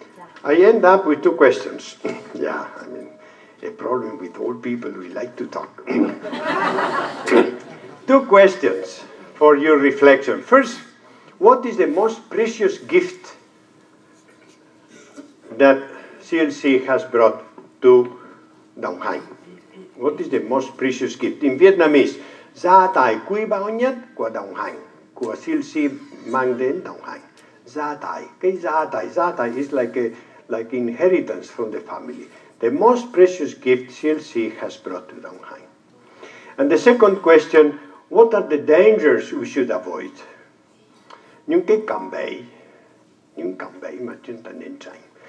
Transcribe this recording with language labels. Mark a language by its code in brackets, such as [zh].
[en] Yeah. I end up with two questions. Yeah, I mean, a problem with old people, we like to talk. Two questions for your reflection. First, what is the most precious gift that CLC has brought to Đồng Hành? What is the most precious gift? In Vietnamese, [vi] gia tài quý báu nhất của Đồng Hành, của CLC mang đến Đồng Hành. Gia tài, cái gia tài [en] is like a, like inheritance from the family. The most precious gift CLC has brought to Đồng Hành. And the second question, what are the dangers we should avoid? [vi] Những cạm bẫy mà chúng ta nên tránh.